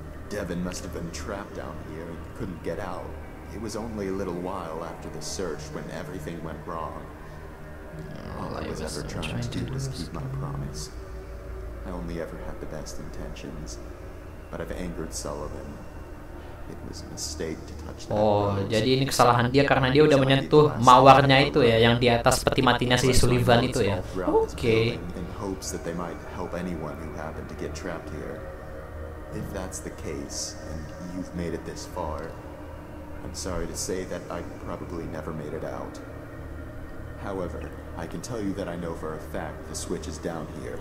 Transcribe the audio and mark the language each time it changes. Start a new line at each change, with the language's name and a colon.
English: Devin must have been trapped down here and couldn't get out. It was only a little while after the search when everything went wrong. All I was ever trying to do was keep my promise. I only ever had the best intentions, but I've angered Sullivan. It was a mistake to touch that.
Indonesian: Oh, jadi ini kesalahan dia karena dia udah menyentuh mawarnya itu ya, yang di atas peti matinya si Sullivan itu ya. Oke.
English: In hopes that they might help anyone who happened to get trapped here. If that's the case and you've made it this far, I'm sorry to say that I probably never made it out. However, I can tell you that I know for a fact the switch is down here.